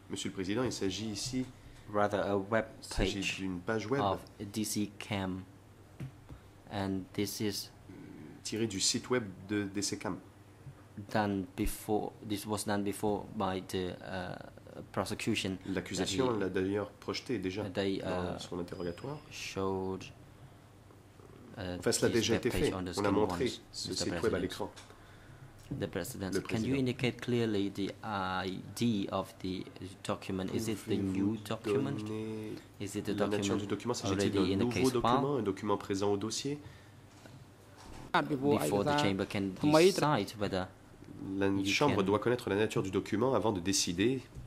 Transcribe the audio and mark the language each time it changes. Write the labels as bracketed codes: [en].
[fr] Monsieur le Président, il s'agit ici [en] rather a web page, [fr] s'agit d'une page web [en] of DCCAM. And this is [fr] tiré du site web de DCCAM. [en] Done before, this was done before by the prosecution. [fr] L'accusation l'a d'ailleurs projeté déjà dans son interrogatoire. [en] Showed, [fr] enfin, cela a déjà été fait. On a montré ce site web à l'écran. [en] The President, can you indicate clearly the ID of the document? Is it the new document? Is it the document, already in the case file? [fr] Document, un document présent au dossier? [en] Before the chamber can decide whether [fr] la chambre doit connaître la nature du document avant de décider